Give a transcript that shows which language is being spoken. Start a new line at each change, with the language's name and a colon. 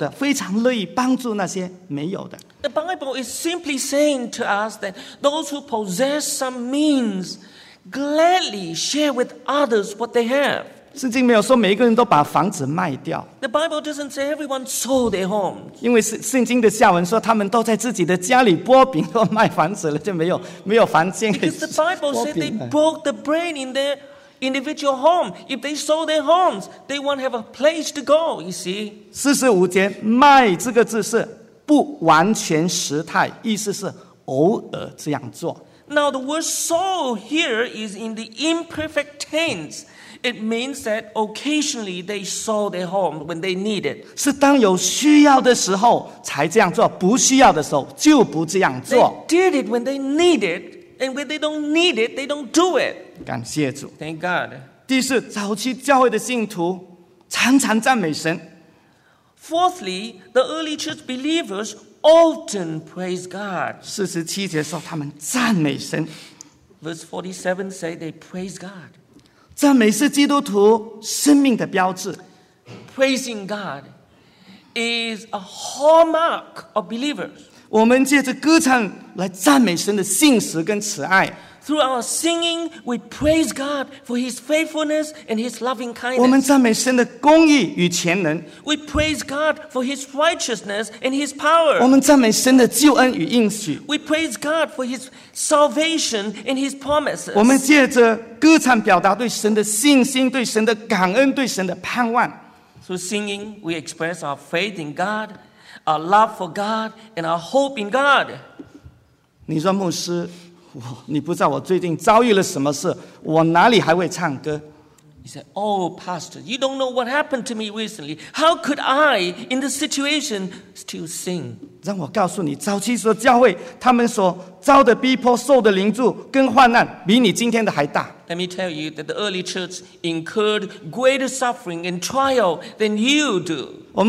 Chinese: 圣经这里只在告诉我们,那些有的,非常乐意帮助那些没有的。
English: The Bible is simply saying to us that those who possess some means gladly share with others what they have.
Chinese: 圣经没有说每一个人都把房子卖掉。
English: The Bible doesn't say everyone sold their homes.
Chinese: 因为圣经的下文说他们都在自己的家里剥饼,都卖房子了,就没有房间可以剥饼了。
English: Because the Bible said they broke the bread in their individual home. If they sold their homes, they won't have a place to go, you see.
Chinese: 45节, 卖这个字是不完全时态, 意思是偶尔这样做。
English: Now the word sold here is in the imperfect tense. It means that occasionally they sold their home when they need it.
Chinese: 是当有需要的时候才这样做, 不需要的时候就不这样做。
English: They did it when they need it, and when they don't need it, they don't do it.
Chinese: 感谢主。
English: Thank God.
Chinese: 第四,早期教会的信徒常常赞美神。
English: Fourthly, the early church believers often praise God.
Chinese: 47节说他们赞美神。
English: Verse 47 say they praise God.
Chinese: 赞美是基督徒生命的标志。
English: Praising God is a hallmark of believers.
Chinese: 我们借着歌唱来赞美神的信实跟慈爱。
English: Through our singing, we praise God for His faithfulness and His loving kindness. We praise God for His righteousness and His power. We praise God for His salvation and His promises. Through singing, we express our faith in God, our love for God, and our hope in God.
Chinese: 你说牧师, 你不知道我最近遭遇了什么事,我哪里还会唱歌?
English: He said, oh, pastor, you don't know what happened to me recently. How could I, in this situation, still sing?
Chinese: 让我告诉你,早期说教会,他们所遭的逼迫,受的凌辱跟患难,比你今天的还大。
English: Let me tell you that the early church incurred greater suffering and trial than you do.